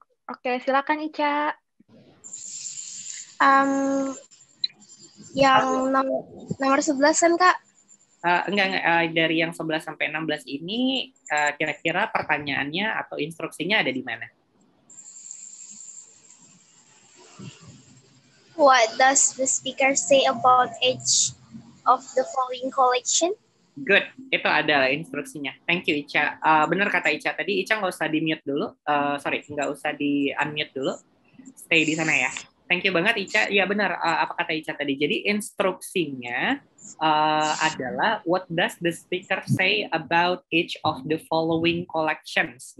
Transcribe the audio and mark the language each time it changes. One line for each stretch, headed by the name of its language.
Indonesian: Oke, silakan Ica. Yang nomor 11 kan Kak? Dari yang 11 sampai 16 ini kira-kira pertanyaannya atau instruksinya ada di mana?
English: What does the speaker say about each of the following collection?
Indonesian: Good, itu ada instruksinya.
English: Thank you
Indonesian: Ica. Benar kata Ica tadi, Ica nggak usah di-mute dulu. Nggak usah di-unmute dulu. Stay di sana ya.
English: Thank you
Indonesian: banget Ica. Ya benar, apa kata Ica tadi. Jadi instruksinya adalah
English: what does the speaker say about each of the following collections.